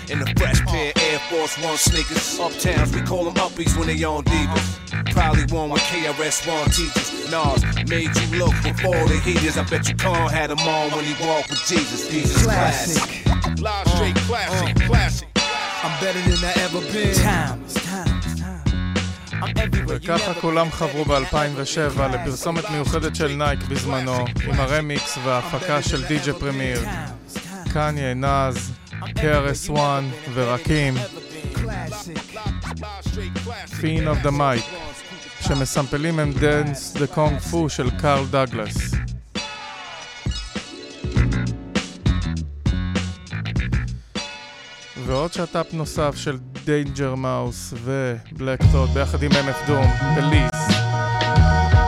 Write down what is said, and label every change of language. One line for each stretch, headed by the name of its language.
English: In the fresh pair, Air Force One sneakers. Uptowns, we call them uppies when they on Divas. Probably one with KRS-One teachers. Nas made you look before the heaters. I bet you Khan had them on when he walked with Jesus. Jesus classic. Live straight classic. Classic. I'm better than I ever been.
Hebrew: וככה כולם חברו ב-2007 לפרסומת מיוחדת של נייק בזמנו עם הרמיקס וההפקה של DJ פרמיר. קניה, נאז, KRS-One ורקים. Fiend of the Mic, שמסמפלים הם Dance the Kung Fu של קארל דאגלס. ועוד שעטאפ נוסף של Danger Mouse ו-Black Thought ביחד עם MF Doom, Elise.